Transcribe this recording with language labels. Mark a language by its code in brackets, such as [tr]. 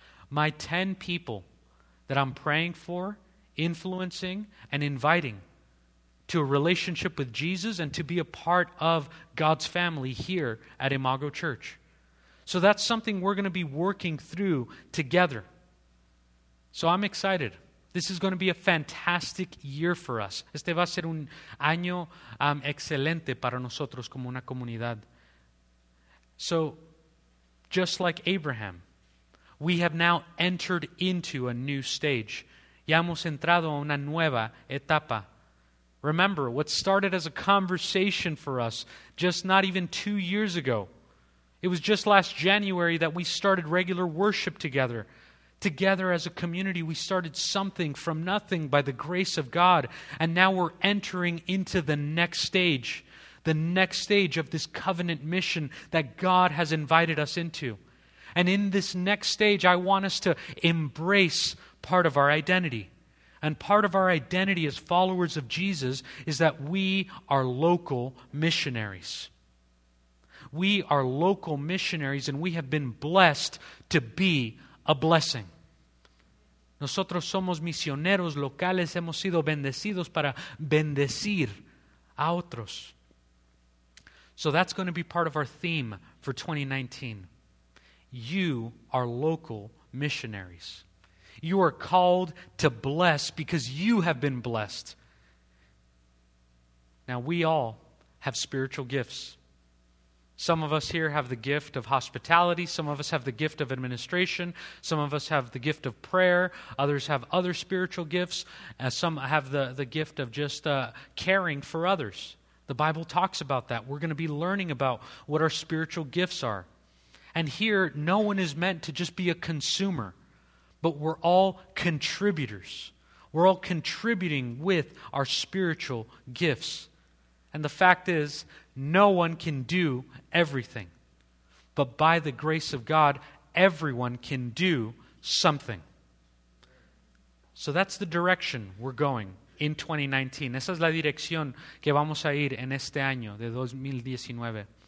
[en] My 10 people that I'm praying for, influencing, and inviting to a relationship with Jesus and to be a part of God's family here at Imago Church. So that's something we're going to be working through together. So I'm excited. This is going to be a fantastic year for us. [es] Este va a ser un año excelente para nosotros como una comunidad. [en] So, just like Abraham, we have now entered into a new stage. [es] Ya hemos entrado a una nueva etapa. [en] Remember, what started as a conversation for us just not even 2 years ago. It was just last January that we started regular worship together. Together as a community, we started something from nothing by the grace of God. And now we're entering into the next stage of this covenant mission that God has invited us into. And in this next stage, I want us to embrace part of our identity. And part of our identity as followers of Jesus is that we are local missionaries. We are local missionaries, and we have been blessed to be a blessing. [es] Nosotros somos misioneros locales, hemos sido bendecidos para bendecir a otros. [en] So that's going to be part of our theme for 2019. You are local missionaries. You are called to bless because you have been blessed. Now, we all have spiritual gifts. Some of us here have the gift of hospitality. Some of us have the gift of administration. Some of us have the gift of prayer. Others have other spiritual gifts. Some have the gift of just caring for others. The Bible talks about that. We're going to be learning about what our spiritual gifts are. And here, no one is meant to just be a consumer. But we're all contributors. We're all contributing with our spiritual gifts. And the fact is, no one can do everything. But by the grace of God, everyone can do something. So that's the direction we're going in 2019. [es] Esa es la dirección que vamos a ir en este año de 2019.